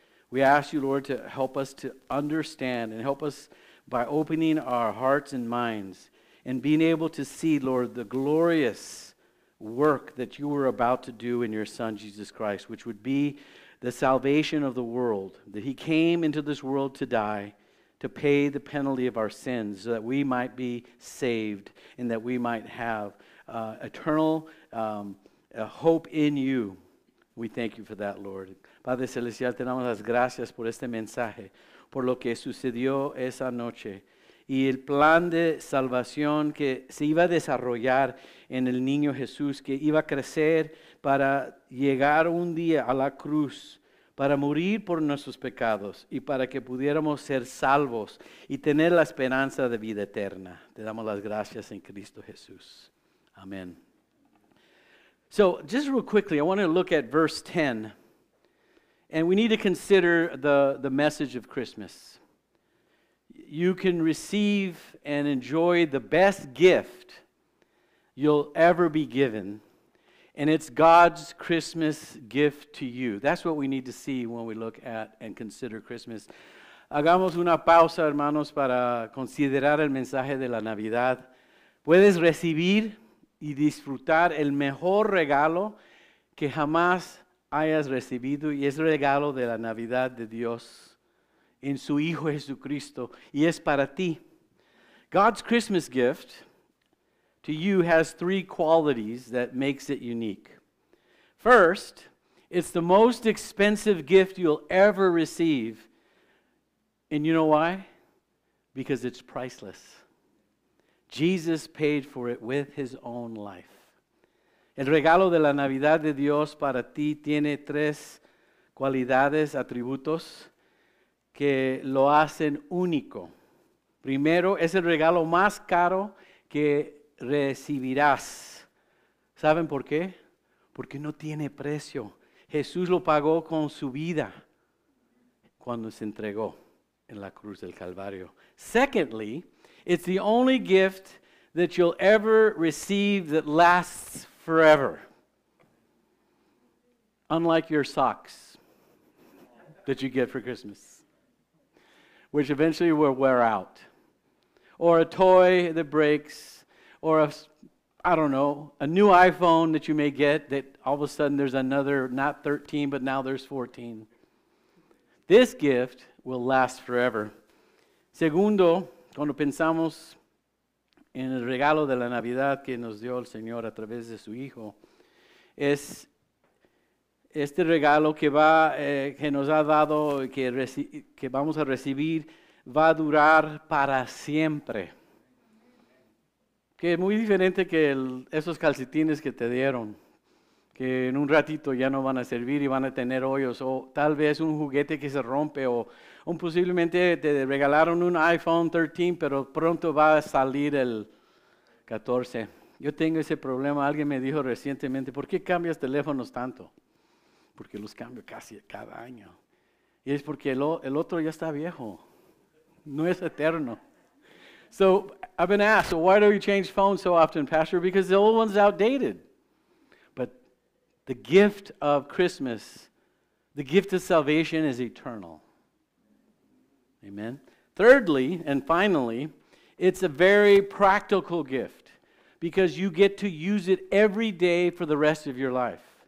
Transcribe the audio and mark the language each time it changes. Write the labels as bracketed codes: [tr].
[en] We ask you, Lord, to help us to understand and help us by opening our hearts and minds and being able to see, Lord, the glorious work that you were about to do in your Son, Jesus Christ, which would be the salvation of the world, that he came into this world to die, to pay the penalty of our sins so that we might be saved and that we might have eternal hope in you. We thank you for that, Lord. [es] Padre Celestial, te damos las gracias por este mensaje, por lo que sucedió esa noche y el plan de salvación que se iba a desarrollar en el niño Jesús, que iba a crecer para llegar un día a la cruz, para morir por nuestros pecados y para que pudiéramos ser salvos y tener la esperanza de vida eterna. Te damos las gracias en Cristo Jesús. Amén. [en] So just real quickly, I want to look at verse 10. And we need to consider the message of Christmas. You can receive and enjoy the best gift you'll ever be given. And it's God's Christmas gift to you. That's what we need to see when we look at and consider Christmas. [es] Hagamos una pausa, hermanos, para considerar el mensaje de la Navidad. Puedes recibir y disfrutar el mejor regalo que jamás hayas recibido, y es el regalo de la Navidad de Dios en su Hijo Jesucristo, y es para ti. [en] God's Christmas gift to you has three qualities that makes it unique. First, it's the most expensive gift you'll ever receive, and you know why? Because it's priceless. Jesus paid for it with his own life. [es] El regalo de la Navidad de Dios para ti tiene tres cualidades, atributos, que lo hacen único. Primero, es el regalo más caro que recibirás. ¿Saben por qué? Porque no tiene precio. Jesús lo pagó con su vida cuando se entregó en la cruz del Calvario. [en] Secondly, it's the only gift that you'll ever receive that lasts forever. Unlike your socks that you get for Christmas, which eventually will wear out. or a toy that breaks, or a new iPhone that you may get that all of a sudden there's another, not 13, but now there's 14. This gift will last forever. [es] Segundo, cuando pensamos en el regalo de la Navidad que nos dio el Señor a través de su Hijo, es este regalo que va, que nos ha dado, que vamos a recibir, va a durar para siempre. Que es muy diferente que esos calcetines que te dieron, que en un ratito ya no van a servir y van a tener hoyos, o tal vez un juguete que se rompe, o posiblemente te regalaron un iPhone 13, pero pronto va a salir el 14. Yo tengo ese problema. Alguien me dijo recientemente, ¿por qué cambias teléfonos tanto? Porque los cambio casi cada año. Y es porque el otro ya está viejo. No es eterno. [en] So I've been asked, so why do you change phones so often, Pastor? Because the old one's outdated. But the gift of Christmas, the gift of salvation is eternal. Amen. Thirdly, and finally, it's a very practical gift because you get to use it every day for the rest of your life.